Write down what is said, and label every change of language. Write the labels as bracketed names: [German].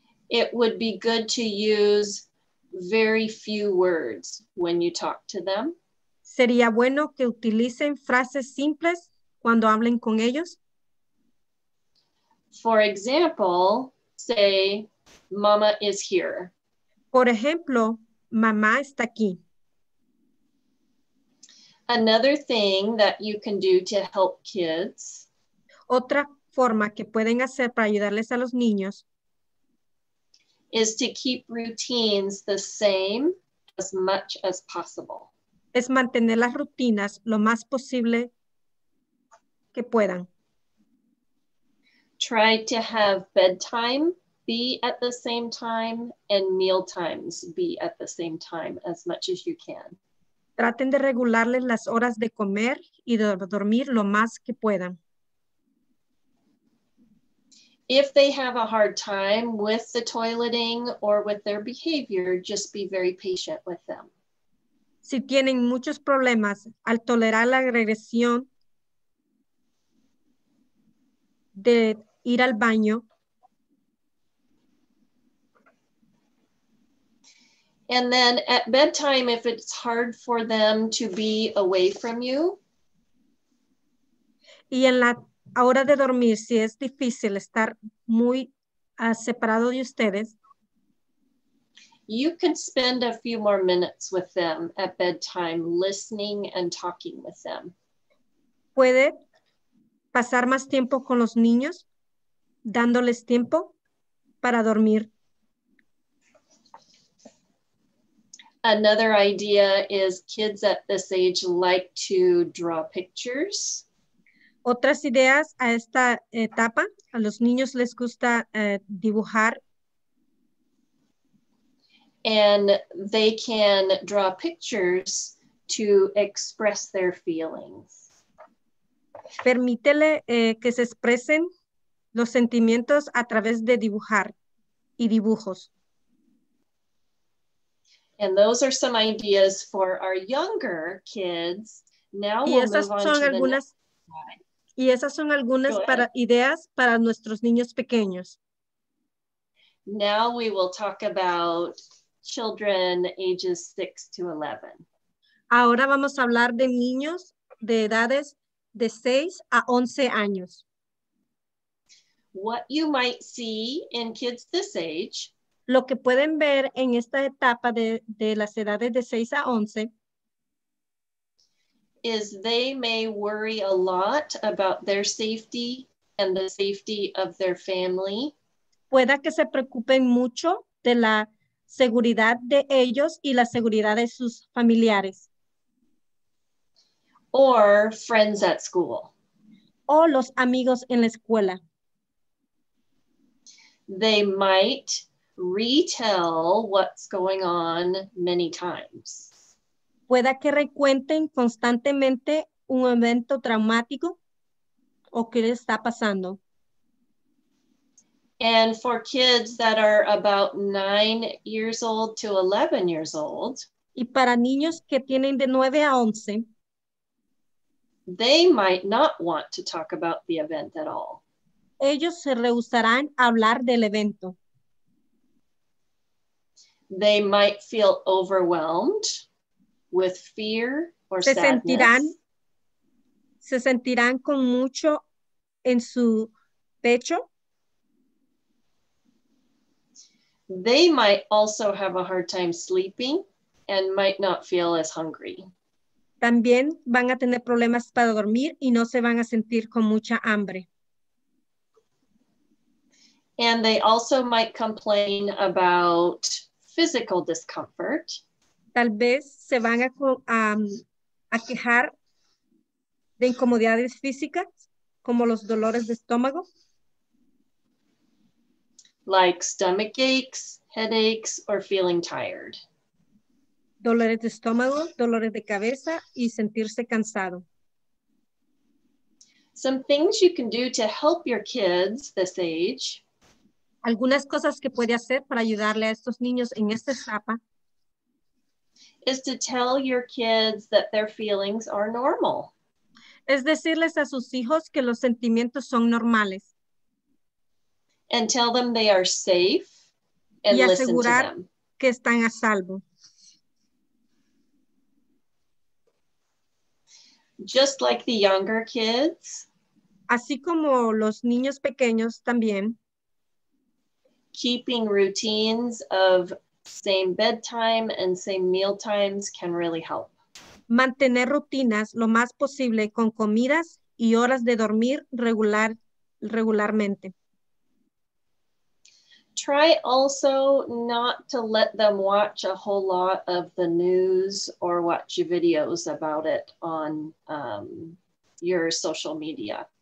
[English] It would be good to use very few words when you talk to them. [Spanish] Sería bueno que utilicen frases simples cuando hablen con ellos. [English] For example, say, "Mama is here." [Spanish] Por ejemplo, mamá está aquí. [English] Another thing that you can do to help kids. [Spanish] Otra forma que pueden hacer para ayudarles a los niños. [English] Is to keep routines the same as much as possible. [Spanish] Es mantener las rutinas lo más posible que puedan. [English] Try to have bedtime be at the same time and meal times be at the same time as much as you can. [Spanish] Traten de regularles las horas de comer y de dormir lo más que puedan. [English] If they have a hard time with the toileting or with their behavior, just be very patient with them. [Spanish] Si tienen muchos problemas al tolerar la regresión de ir al baño. [English] And then at bedtime, if it's hard for them to be away from you. [Spanish] Y en la hora de dormir, si es difícil estar muy separado de ustedes. [English] You can spend a few more minutes with them at bedtime, listening and talking with them. [Spanish] Puede pasar más tiempo con los niños, dándoles tiempo para dormir. [English] Another idea is kids at this age like to draw pictures. [Spanish] Otras ideas a esta etapa, a los niños les gusta dibujar. [English] And they can draw pictures to express their feelings. [Spanish] Permítele que se expresen los sentimientos a través de dibujar y dibujos. [English] And those are some ideas for our younger kids. Now we'll move on to the next slide. [Spanish] Y esas son algunas ideas para nuestros niños pequeños. [English] Now we will talk about children ages 6 to 11. [Spanish] Ahora vamos a hablar de niños de edades de 6 a 11 años. [English] What you might see in kids this age. [Spanish] Lo que pueden ver en esta etapa de las edades de 6 a 11 [English] is they may worry a lot about their safety and the safety of their family. [Spanish] Pueda que se preocupen mucho de la seguridad de ellos y la seguridad de sus familiares. [English] Or friends at school. [Spanish] O los amigos en la escuela. [English] They might retell what's going on many times. [Spanish] Pueda que recuenten constantemente un evento traumático o qué le está pasando. [English] And for kids that are about 9 years old to 11 years old. [Spanish] Y para niños que tienen de 9 a 11. [English] They might not want to talk about the event at all. [Spanish] Ellos se rehusarán a hablar del evento. [English] They might feel overwhelmed with fear or sadness. [Spanish] Se sentirán con mucho en su pecho. [English] They might also have a hard time sleeping and might not feel as hungry. [Spanish] También van a tener problemas para dormir y no se van a sentir con mucha hambre. [English] And they also might complain about physical discomfort. [Spanish] Tal vez se van a quejar de incomodidades físicas, como los dolores de estómago. [English] Like stomach aches, headaches, or feeling tired. [Spanish] Dolores de estómago, dolores de cabeza, y sentirse cansado. [English] Some things you can do to help your kids this age. [Spanish] Algunas cosas que puede hacer para ayudarle a estos niños en esta etapa. [English] Is to tell your kids that their feelings are normal. [Spanish] Es decirles a sus hijos que los sentimientos son normales. [English] And tell them they are safe and [Spanish] y asegurar [English] listen to them. [Spanish] Que están a salvo. [English] Just like the younger kids. [Spanish] Así como los niños pequeños también. [English] Keeping routines of same bedtime and same meal times can really help. [Spanish] Mantener rutinas lo más posible con comidas y horas de dormir regularmente. [English] Try also not to let them watch a whole lot of the news or watch videos about it on your social media.